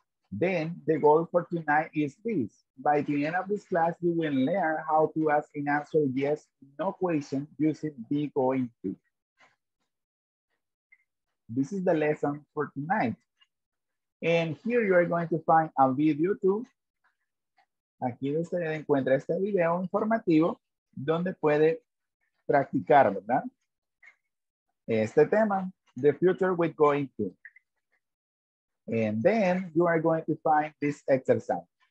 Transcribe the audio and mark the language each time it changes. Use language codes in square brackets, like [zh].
[en] Then the goal for tonight is this. By the end of this class, you will learn how to ask and answer yes, no question using be going to. This is the lesson for tonight. And here you are going to find a video too. [es] Aquí usted encuentra este video informativo donde puede practicar, ¿verdad? Este tema, the future with going to. [en] And then you are going to find this exercise.